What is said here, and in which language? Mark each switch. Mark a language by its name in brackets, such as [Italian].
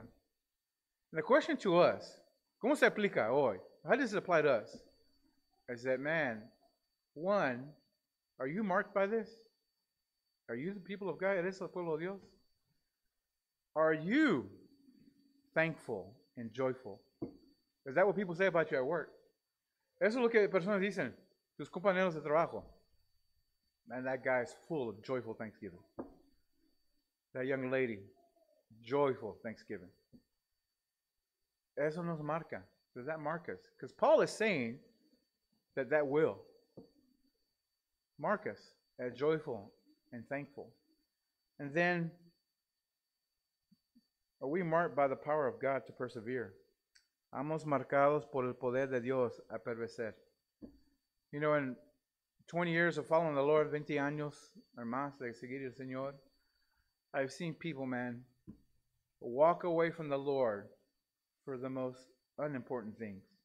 [English] And the question to us, [Spanish] ¿cómo se aplica hoy? [English] How does it apply to us? Is that, man, one, are you marked by this? Are you the people of God? [Spanish] ¿Eres el pueblo de Dios? [English] Are you thankful and joyful? Is that what people say about you at work? [Spanish] Eso es lo que personas dicen, tus compañeros de trabajo. [English] Man, that guy is full of joyful thanksgiving. That young lady, joyful thanksgiving. [Spanish] Eso nos marca. [English] Does that mark us? Because Paul is saying that that will mark us as joyful and thankful. And then, are we marked by the power of God to persevere? [Spanish] Amos marcados por el poder de Dios a perecer. [English] You know, in 20 years of following the Lord, [Spanish] 20 años or más de seguir el Señor, [English] I've seen people, man, walk away from the Lord for the most unimportant things.